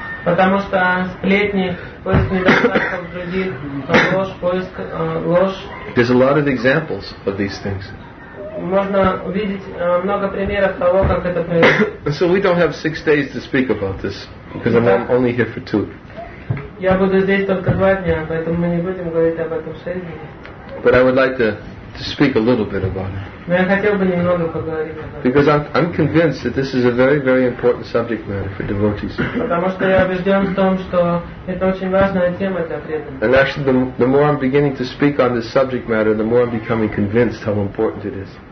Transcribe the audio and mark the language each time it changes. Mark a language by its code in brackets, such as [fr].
[ru] Потому что сплетни, поиск недостатков других, ложь, поиск ложь. [en] There's a lot of examples of these things. [ru] Можно увидеть много примеров того, как это происходит. [en] So we don't have 6 days to speak about this, because I'm only here for 2. [ru] Я буду здесь только 2 дня, поэтому мы не будем говорить об этом 6 дней. [en] But I would like to speak a little bit about it. Because I'm convinced that this is a very, very important subject matter for devotees. And actually, the more I'm beginning to speak on this subject matter, the more I'm becoming convinced how important it is.